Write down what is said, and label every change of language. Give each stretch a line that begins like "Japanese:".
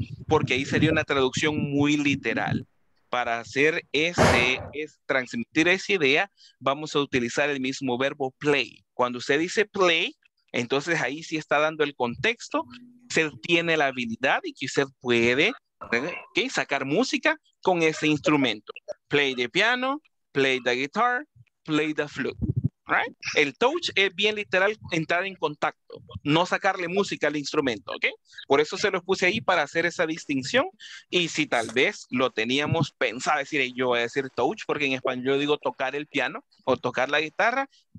Spanish: Porque ahí sería una traducción muy literal. Para hacer transmitir esa idea, vamos a utilizar el mismo verbo play. Cuando usted dice play, entonces ahí sí está dando el contexto, usted tiene la habilidad y que usted puede sacar música con ese instrumento.
English: Play the piano, play the guitar, play the flute. Right?
Spanish: El touch es bien literal entrar en contacto, no sacarle música al instrumento, ¿ok? Por eso se los puse ahí para hacer esa distinción. Y si tal vez lo teníamos pensado decir, yo voy a decir touch, porque en español yo digo tocar el piano o tocar la guitarra.